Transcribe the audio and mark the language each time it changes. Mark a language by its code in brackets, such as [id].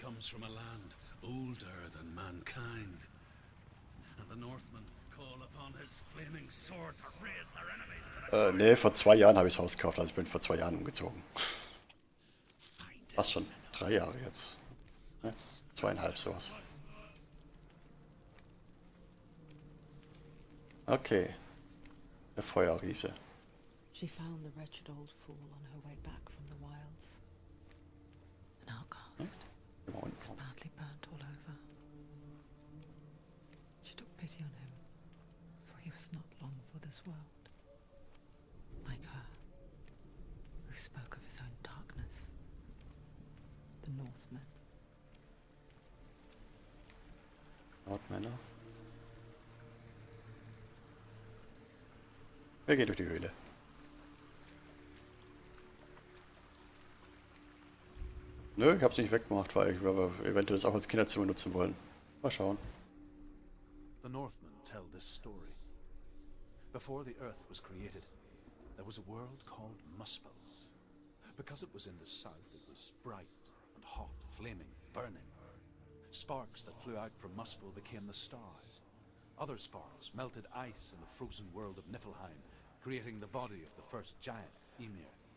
[en] From a land older than mankind, and the Northmen call upon his flaming sword to raise their enemies to the ground. [de] Vor 2 Jahren habe ich das Haus gekauft, also ich bin vor 2 Jahren umgezogen. Was schon 3 Jahre jetzt? Ne? 2,5 sowas. Okay, der Feuerriese. [en] She found the wretched old fool on her way back from the wilds. An outcast. [de] Mauern kommen. [en] It's badly burnt all over. She took pity on him, for he was not long for this world. Like her, who spoke of his own darkness. The Northmen. [de] Nordmänner. Wir gehen durch die Höhle. Nö, ich hab's nicht weggemacht, weil ich aber eventuell es auch als Kinderzimmer nutzen wollen. Mal schauen. [en] The Northmen tell this story. Before the Earth was created, there was a world called Muspel. Because it was in the south, it was bright and hot, flaming, burning. Sparks that flew out from Muspel became the stars. Other sparks melted ice in the frozen world of Niflheim, creating the body of the first giant, Ymir.